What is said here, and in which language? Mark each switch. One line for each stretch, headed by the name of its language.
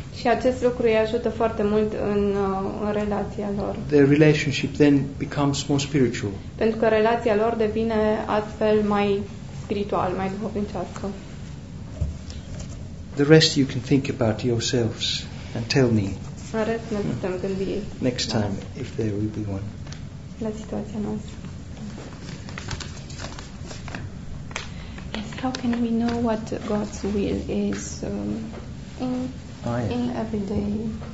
Romanian: Și acest lucru îi ajută foarte mult în relația lor.
English: Their relationship then becomes more spiritual.
Romanian: Pentru că relația lor devine astfel mai spiritual, mai duhovnicească.
English: The rest you can think about yourselves and tell me.
Romanian: Rest ne putem gândi.
English: Next time, if there will be one.
Romanian: La situația noastră.
English: How can we know what God's will is in everyday